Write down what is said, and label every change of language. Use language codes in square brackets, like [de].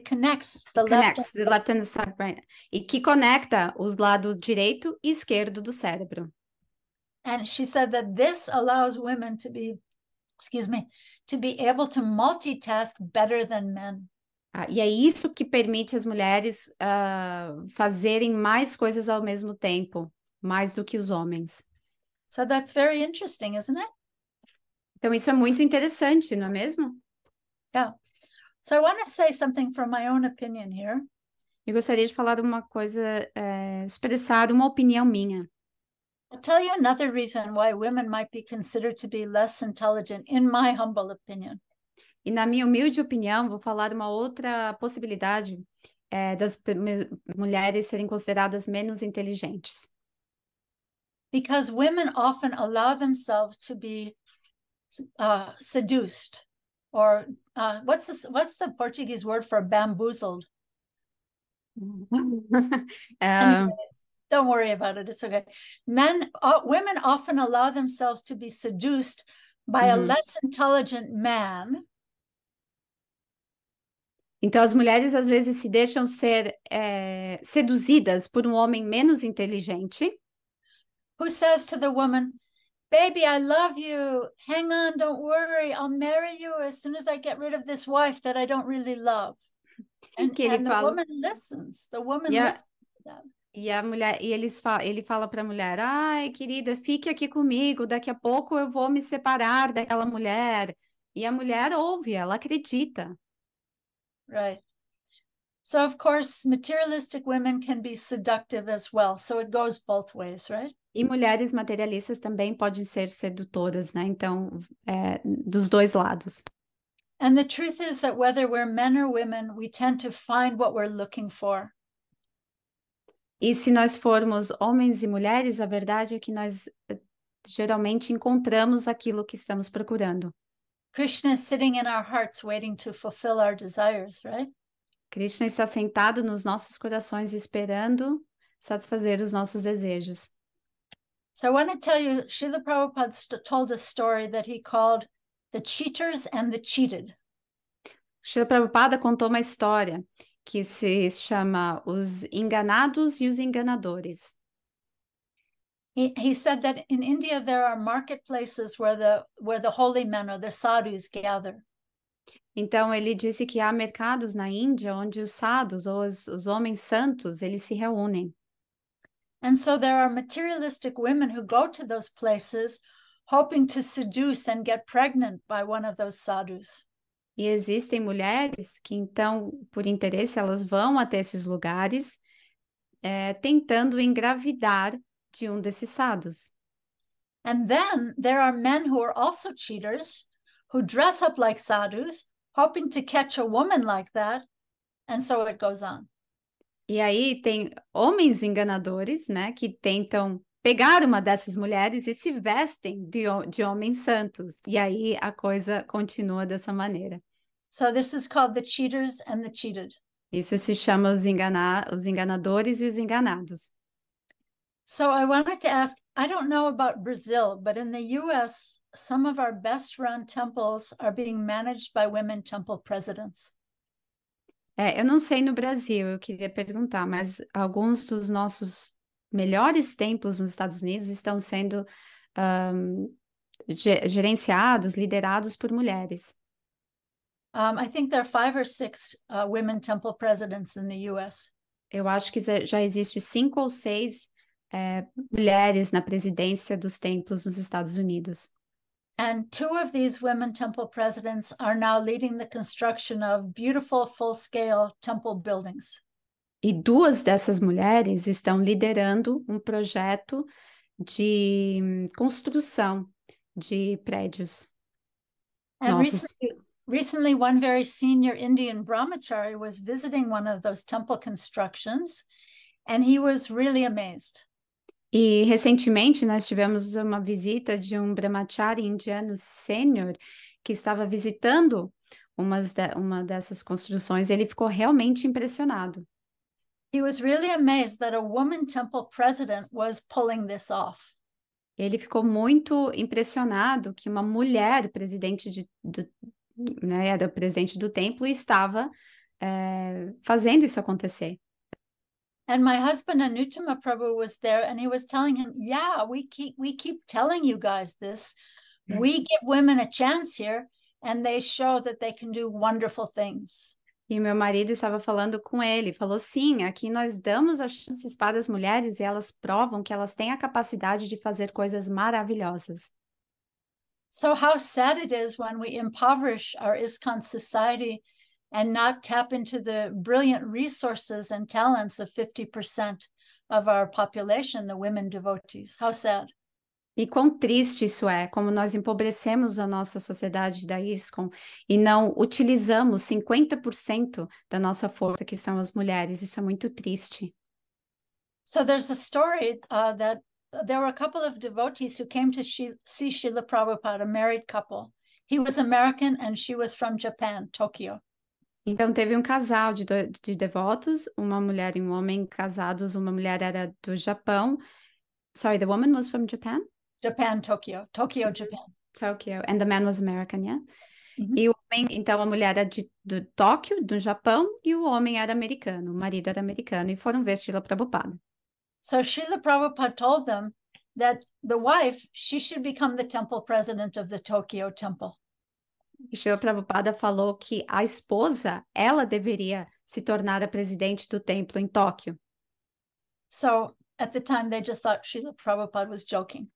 [en] It connects the left and the side brain. [pt] E que conecta os lados direito e esquerdo do cérebro. [en] And she said that this allows women to be, to be able to multitask better than men. [pt] E é isso que permite as mulheres fazerem mais coisas ao mesmo tempo, mais do que os homens. [en] So that's very interesting, isn't it? [pt] Então isso é muito interessante, não é mesmo? [en] Yeah. So I want to say something from my own opinion here. [pt] Eu gostaria de falar uma coisa, expressar uma opinião minha. [en] I'll tell you another reason why women might be considered to be less intelligent, in my humble opinion. [pt] E na minha humilde opinião, vou falar uma outra possibilidade, das mulheres serem consideradas menos inteligentes. [en] Because women often allow themselves to be seduced. Or what's the Portuguese word for bamboozled? Anyway, don't worry about it. It's okay. Men, women often allow themselves to be seduced by a less intelligent man. [pt] Então as mulheres às vezes se deixam ser seduzidas por homem menos inteligente. [en] Who says to the woman, baby, I love you. Hang on, don't worry. I'll marry you as soon as I get rid of this wife that I don't really love. And the woman listens. The woman listens to them. [pt] E a mulher, ele fala para a mulher, ai, querida, fique aqui comigo. Daqui a pouco eu vou me separar daquela mulher. E a mulher ouve, ela acredita. [en] Right. So, of course, materialistic women can be seductive as well. So it goes both ways, right? [pt] E mulheres materialistas também podem ser sedutoras, né? Então, dos dois lados. [en] And the truth is that whether we're men or women, we tend to find what we're looking for. [pt] E se nós formos homens e mulheres, a verdade é que nós geralmente encontramos aquilo que estamos procurando. [en] Krishna is sitting in our hearts waiting to fulfill our desires, right? [pt] Krishna está sentado nos nossos corações esperando satisfazer os nossos desejos. [en] So I want to tell you, Srila Prabhupada told a story that he called the cheaters and the cheated. [pt] Srila Prabhupada contou uma história que se chama Os Enganados e os Enganadores. [en] He said that in India there are marketplaces where the holy men or the sadhus gather. [pt] Então ele disse que há mercados na Índia onde os sadhus ou os homens santos eles se reúnem. [en] And so there are materialistic women who go to those places hoping to seduce and get pregnant by one of those sadhus. [pt] E existem mulheres que então por interesse elas vão até esses lugares tentando engravidar de um desses sadhus. [en] And then there are men who are also cheaters who dress up like sadhus hoping to catch a woman like that, and so it goes on. [pt] E aí tem homens enganadores, né, que tentam pegar uma dessas mulheres e se vestem de homens santos. E aí a coisa continua dessa maneira. [en] So this is called the cheaters and the cheated. [pt] Isso se chama os enganadores e os enganados. [en] So I wanted to ask, I don't know about Brazil, but in the US, some of our best run temples are being managed by women temple presidents. [pt] Eu não sei no Brasil, eu queria perguntar, mas alguns dos nossos melhores templos nos Estados Unidos estão sendo gerenciados, liderados por mulheres. [en] I think there are 5 or 6 women temple presidents in the US. [pt] Eu acho que já existe 5 ou 6 mulheres na presidência dos templos nos Estados Unidos. [en] And 2 of these women temple presidents are now leading the construction of beautiful full-scale temple buildings. [pt] E 2 dessas mulheres estão liderando um projeto de construção de prédios [en] and [pt] novos. [en] Recently, one very senior Indian brahmachari was visiting one of those temple constructions, and he was really amazed. [pt] E recentemente nós tivemos uma visita de um brahmachari indiano sênior que estava visitando uma dessas construções e ele ficou realmente impressionado. [en] He was really amazed that a woman temple president was pulling this off. [pt] Ele ficou muito impressionado que uma mulher presidente era presidente do templo e estava fazendo isso acontecer. [en] And my husband Anutama Prabhu was there and he was telling him, yeah, we keep telling you guys this. We give women a chance here and they show that they can do wonderful things. [pt] E meu marido estava falando com ele, falou, sim, aqui nós damos as chances para as mulheres e elas provam que elas têm a capacidade de fazer coisas maravilhosas. [en] So how sad it is when we impoverish our ISKCON society and not tap into the brilliant resources and talents of 50% of our population, the women devotees. How sad. [pt] E quão triste isso é, como nós empobrecemos a nossa sociedade da ISKCON e não utilizamos 50% da nossa força, que são as mulheres. Isso é muito triste. [en] So there's a story that there were a couple of devotees who came to see Srila Prabhupada, a married couple. He was American and she was from Japan, Tokyo. [pt] Então teve um casal de devotos, uma mulher e um homem casados, uma mulher era do Japão. [en] Sorry, the woman was from Japan? Japan, Tokyo. Tokyo, Japan. Tokyo, and the man was American, yeah? [pt] Mm-hmm. E o homem, então a mulher era do Tóquio, do Japão, e o homem era americano, o marido era americano, e foram ver Srila Prabhupada. [en] So Srila Prabhupada told them that the wife, she should become the temple president of the Tokyo temple. [pt] E Srila Prabhupada falou que a esposa, ela deveria se tornar a presidente do templo em Tóquio. [en] So, at the time, they just thought Srila Prabhupada was joking.